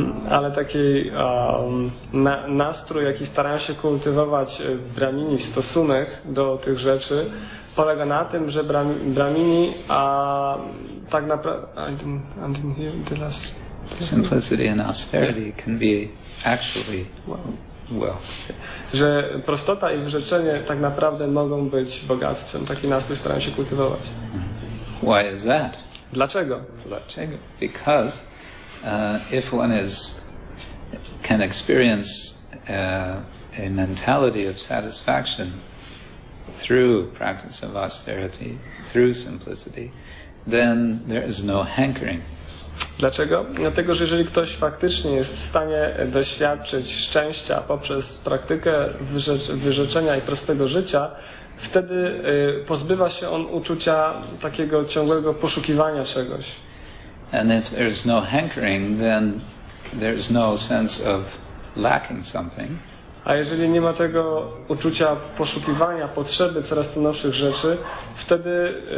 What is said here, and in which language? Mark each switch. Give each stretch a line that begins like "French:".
Polish: Ale taki nastrój, jaki starają się kultywować Brahmini, stosunek do tych rzeczy, polega na tym, że Brahmini, a tak naprawdę...
English: I didn't hear the last... Simplicity and austerity can be actually wealth.
Polish: Że prostota i wyrzeczenie tak naprawdę mogą być bogactwem. Taki nastrój staram się kultywować.
English: Why is that?
Polish: Dlaczego? Dlaczego?
English: Because if one can experience a mentality of satisfaction through practice of austerity, through simplicity, then there is no hankering.
Polish: Dlaczego? Dlatego, że jeżeli ktoś faktycznie jest w stanie doświadczyć szczęścia poprzez praktykę wyrzeczenia i prostego życia, wtedy pozbywa się on uczucia takiego ciągłego poszukiwania czegoś.
English: And if there's no hankering, then there's no sense of lacking something.
Polish: A jeżeli nie ma tego uczucia poszukiwania, potrzeby coraz to nowszych rzeczy, wtedy